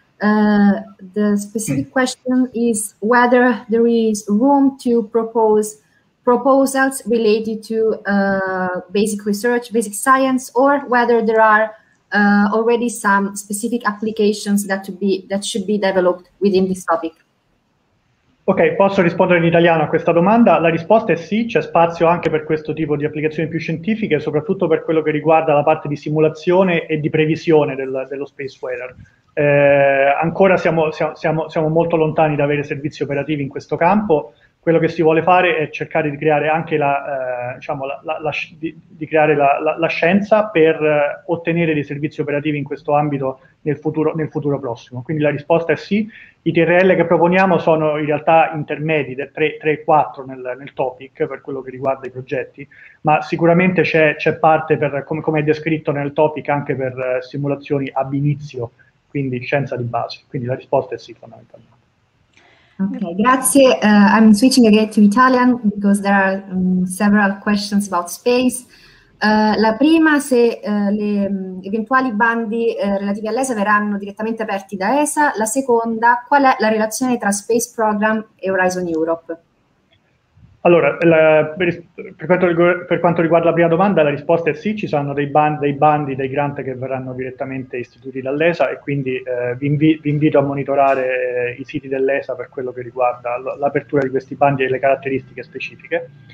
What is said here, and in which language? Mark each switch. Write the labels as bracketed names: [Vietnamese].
[English] The specific question is whether there is room to propose proposals related to basic research, basic science, or whether there are already some specific applications that to be that should be developed within this topic. [Italian] Ok, posso rispondere in italiano a questa domanda? La risposta è sì, c'è spazio anche per questo tipo di applicazioni più scientifiche, soprattutto per quello che riguarda la parte di simulazione e di previsione dello space weather. Ancora siamo molto lontani da avere servizi operativi in questo campo. Quello che si vuole fare è cercare di creare anche la scienza per ottenere dei servizi operativi in questo ambito nel futuro prossimo. Quindi la risposta è sì. I TRL che proponiamo sono in realtà intermedi, 3-4 nel topic per quello che riguarda i progetti, ma sicuramente c'è parte per, come è descritto nel topic, anche per simulazioni ab inizio, quindi scienza di base. Quindi la risposta è sì, fondamentalmente. Okay, grazie. [English] I'm switching again to Italian because there are several questions about space. [Italian] La prima, se le eventuali bandi relativi all'ESA verranno direttamente aperti da ESA. La seconda, qual è la relazione tra Space Program e Horizon Europe? Allora, per quanto riguarda la prima domanda, la risposta è sì, ci saranno dei grant che verranno direttamente istituiti dall'ESA e quindi vi invito a monitorare i siti dell'ESA per quello che riguarda l'apertura di questi bandi e le caratteristiche specifiche.